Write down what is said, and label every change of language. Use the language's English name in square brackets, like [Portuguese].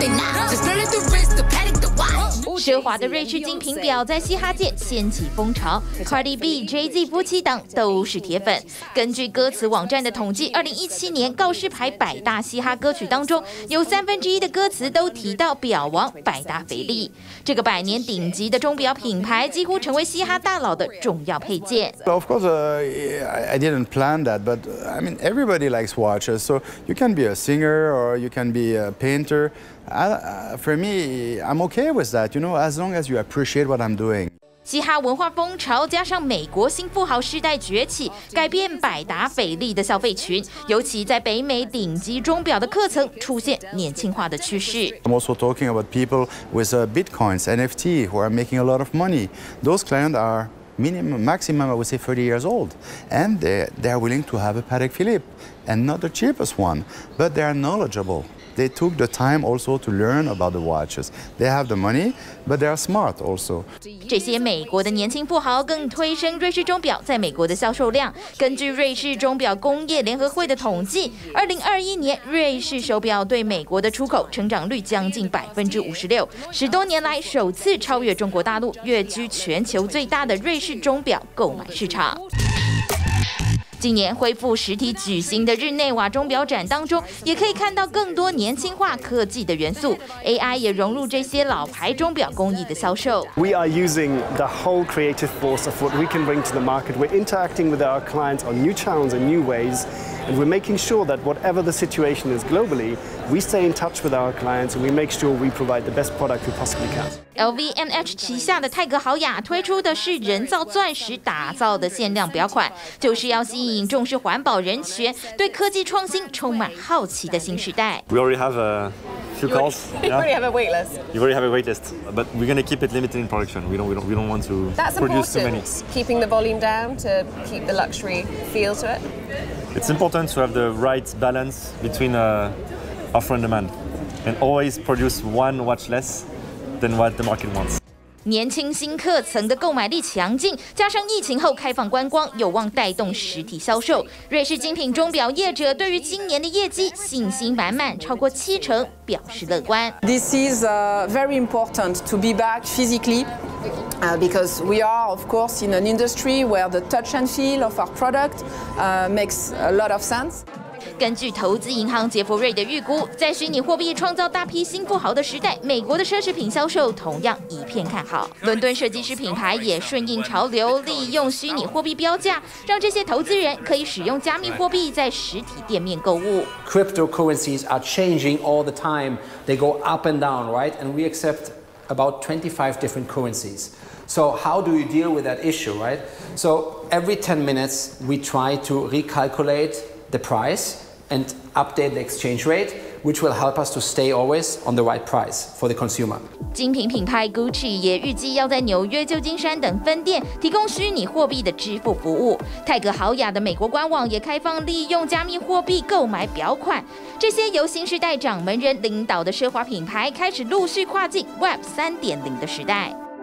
[Chinese] 奢华的瑞士精品表在嘻哈界掀起风潮， Cardi B、 Jay-Z 夫妻档都是铁粉。根据歌词网站的统计，2017年告示牌百大嘻哈歌曲当中，有1/3的歌词都提到表王百达翡丽。这个百年顶级的钟表品牌几乎成为嘻哈大佬的重要配件。 [English] Well, of course, I didn't plan that, but I mean, everybody likes watches, so you can be a singer or you can be a painter. For me, I'm okay with that, you know, as long as you appreciate what I'm doing. [Chinese] 嘻哈文化风潮加上美国新富豪世代崛起，改变百达翡丽的消费群，尤其在北美顶级钟表的课程出现年轻化的趋势。 [English] I'm also talking about people with bitcoins, NFT, who are making a lot of money. Those clients are minimum, maximum, I would say 30 years old. And they are willing to have a Patek Philippe, and not the cheapest one, but they are knowledgeable. They took the time also to learn about the watches. They have the money, but they are smart also. [Chinese] 这些美国的年轻富豪更推升瑞士钟表在美国的销售量。根据瑞士钟表工业联合会的统计，2021年瑞士手表对美国的出口成长率将近56%，十多年来首次超越中国大陆，跃居全球最大的瑞士钟表购买市场。今年恢复实体举行的日内瓦钟表展当中，也可以看到更多年轻化科技的元素。 AI 也融入这些老牌钟表工艺的销售。 [English] We are using the whole creative force of what we can bring to the market. We're interacting with our clients on new channels and new ways. And we're making sure that whatever the situation is globally, we stay in touch with our clients and we make sure we provide the best product we possibly can. [Chinese] LVMH 旗下的泰格豪雅推出的是人造钻石打造的限量表款，就是要吸引重视环保人权、对科技创新充满好奇的新时代。 [English] We already have a few calls. You already have a wait list. You already have a wait list, but we're going to keep it limited in production. We don't want to produce too many. That's important. Keeping the volume down to keep the luxury feel to it. It's important to have the right balance between offer and demand, and always produce one watch less than what the market wants. [Chinese] 年轻新客层的购买力强劲，加上疫情后开放观光，有望带动实体销售。瑞士精品钟表业者对于今年的业绩信心满满，超过七成表示乐观。 [English] This is very important to be back physically. Because we are, of course, in an industry where the touch and feel of our product makes a lot of sense. [Chinese] 根据投资银行杰弗瑞的预估，在虚拟货币创造大批新富豪的时代，美国的奢侈品销售同样一片看好。伦敦设计师品牌也顺应潮流，利用虚拟货币标价，让这些投资人可以使用加密货币在实体店面购物。 [English] Cryptocurrencies are changing all the time. They go up and down, right? And we accept. About 25 different currencies. So how do you deal with that issue, right? So every 10 minutes, we try to recalculate the price and update the exchange rate. Which will help us to stay always on the right price for the consumer. [Chinese] 精品品牌 Gucci 也预计要在纽约、旧金山等分店提供虚拟货币的支付服务。泰格豪雅的美国官网也开放利用加密货币购买表款。这些由新时代掌门人领导的奢华品牌开始陆续跨进 Web 3.0 的时代。